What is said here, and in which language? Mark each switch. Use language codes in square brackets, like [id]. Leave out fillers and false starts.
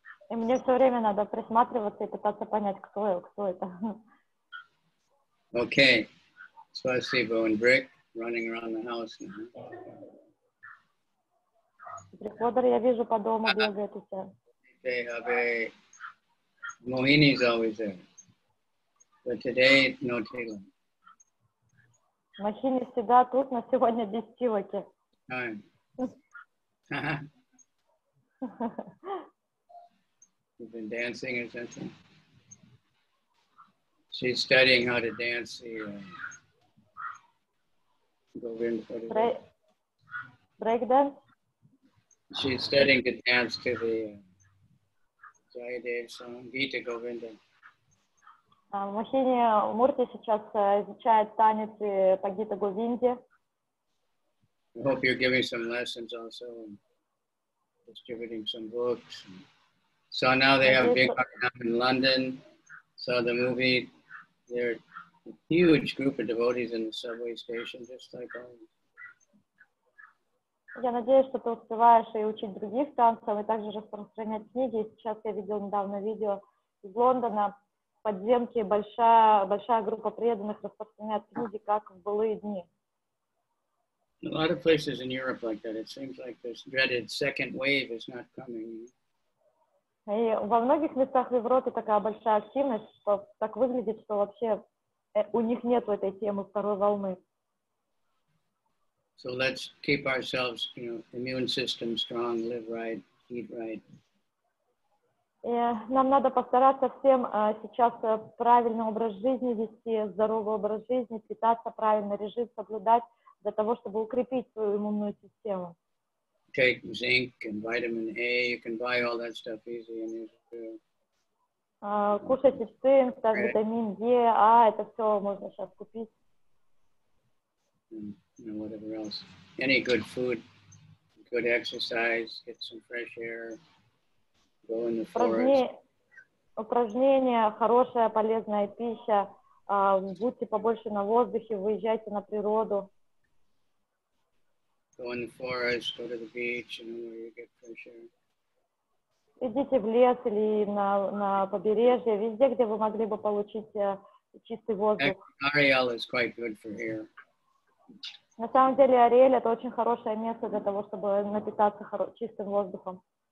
[ru] И мне все время надо присматриваться и пытаться понять, кто это. [en] Okay. So I see Bo and Brick running around the house now. [ru] Приходор, я вижу по дому, бегает все. [en] They have a... Mohini is always there. But today, no Tila. [ru] Mohini всегда тут, но сегодня без Тилоки. [en] You've been dancing or something? She's studying how to dance the Govind. Breakdance? She's studying to dance to the Jayadev song, Gita Govinda. [ru] Махини Мурти сейчас изучает танец по Гита Говинде. [en] I hope you're giving some lessons also and distributing some books. So now they have a big program in London. Saw the movie. They're a huge group of devotees in the subway station, just like ours. [ru] Я надеюсь, что ты успеваешь и учить других танцам, и также распространять книги. Сейчас я видел недавно видео из Лондона. В подземке большая группа преданных распространяет книги, как в былые дни. [en] A lot of places in Europe like that. It seems like this dreaded second wave is not coming. [ru] И во многих местах в Европе такая большая активность, что так выглядит, что вообще у них нет этой темы второй волны. [en] So let's keep ourselves, you know, immune system strong, live right, eat right. [ru] Нам надо постараться всем сейчас правильный образ жизни вести, здоровый образ жизни, питаться правильно, режим соблюдать для того, чтобы укрепить свою иммунную систему. [en] Take zinc and vitamin A. You can buy all that stuff easy in Israel. [ru] Кушайте цинк, так, витамин D, А, это все можно сейчас купить. [en] You know, whatever else. Any good food, good exercise, get some fresh air, go in the forest. [ru] Упражнения, хорошая, полезная пища, будьте побольше на воздухе, выезжайте на природу. [en] Go in the forest, go to the beach, you know, where you get fresh air. [ru] Идите в лес или на побережье, везде, где вы могли бы получить чистый воздух. [en] Ariel is quite good for air. [ru] На самом деле, Ариэль — это очень хорошее место для того, чтобы напитаться чистым воздухом.